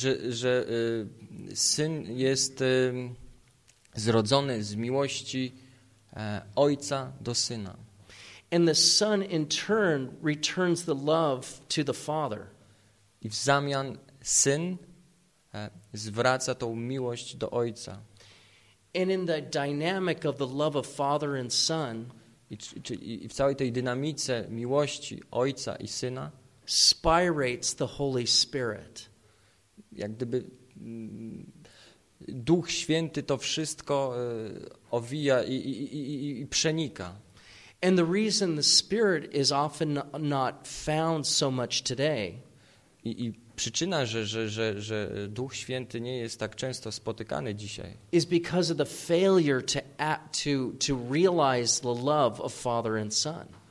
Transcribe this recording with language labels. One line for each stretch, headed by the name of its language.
Polish: Że syn jest zrodzony z miłości ojca do syna.
English: And the son in turn returns the love to the father.
Polish: I w zamian syn zwraca tą miłość do ojca.
English: And in the dynamic of the love of father and son.
Polish: I w całej tej dynamice miłości ojca i syna
English: spirates the Holy Spirit.
Polish: Jak gdyby Duch Święty to wszystko owija i przenika.
English: And the reason the Spirit is often not found so much today.
Polish: I przyczyna, że Duch Święty nie jest tak często spotykany dzisiaj,
English: is because of the failure to realize the love of father and son.